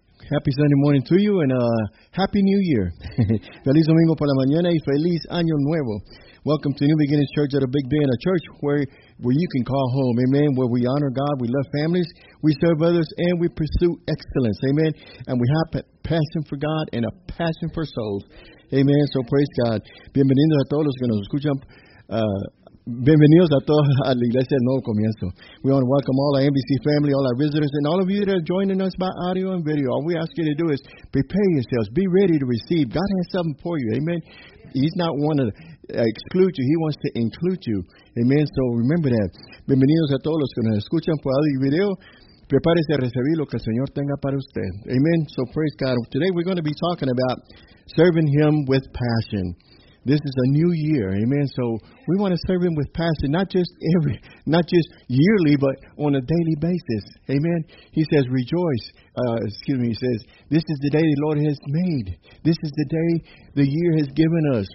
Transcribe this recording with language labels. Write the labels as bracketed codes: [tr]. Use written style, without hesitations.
[en] Happy Sunday morning to you and Happy New Year. [es] Feliz domingo para la mañana y feliz año nuevo. [en] Welcome to New Beginnings Church at a Big Ben, a church where you can call home. Amen. Where we honor God, we love families, we serve others, and we pursue excellence. Amen. And we have a passion for God and a passion for souls. Amen. So praise God. [es] Bienvenidos a todos los que nos escuchan. Bienvenidos a todos a la Iglesia del Nuevo Comienzo. [en] We want to welcome all our NBC family, all our visitors, and all of you that are joining us by audio and video. All we ask you to do is prepare yourselves. Be ready to receive. God has something for you. Amen. He's not wanting to exclude you. He wants to include you. Amen. So remember that. [es] Bienvenidos a todos los que nos escuchan por audio y video. Prepárese a recibir lo que el Señor tenga para usted. [en] Amen. So praise God. Today we're going to be talking about serving Him with passion. This is a new year, amen. So we want to serve Him with passion, not just yearly, but on a daily basis, amen. He says, "Rejoice." He says, "This is the day the Lord has made. This is the day the year has given us.